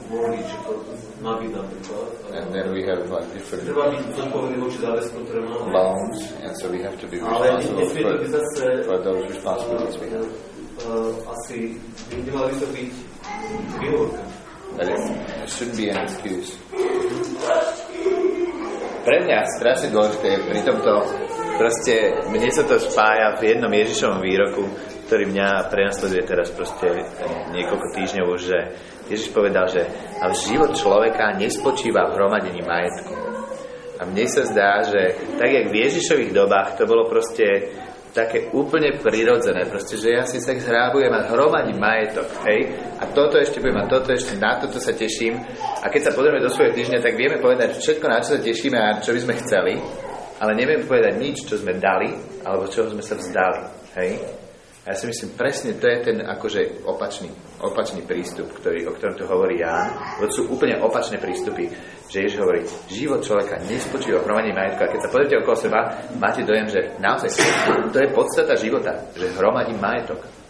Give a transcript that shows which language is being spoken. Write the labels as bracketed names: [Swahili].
[English] and then we have like different loans, and so we have to be responsible for those responsibilities we have. But it shouldn't be an excuse. [Slovak] Pre mňa strašne dôležité pri tomto, proste mne sa to spája v jednom Ježišovom výroku, ktorý mňa prenasleduje teraz proste niekoľko týždňov, že Ježiš povedal, že ale život človeka nespočíva v hromadení majetku. A mne sa zdá, že tak, jak v Ježišových dobách, to bolo proste také úplne prirodzené, proste, že ja si tak zhrábujem a hromadím majetok, hej? A toto ešte budem mať, toto ešte, na toto sa teším. A keď sa pozrieme do svojho týždňa, tak vieme povedať všetko, na čo sa tešíme a čo by sme chceli, ale nevieme povedať nič, čo sme dali, alebo čo sme sa vzdali, hej? Ja si myslím, presne to je ten akože opačný prístup, o ktorom tu hovorí Ján. To sú úplne opačné prístupy, že Ježiš hovorí, život človeka nespočíva v hromadení majetku. A keď sa pozrite okolo seba, máte dojem, že naozaj to je podstata života, že hromadí majetok.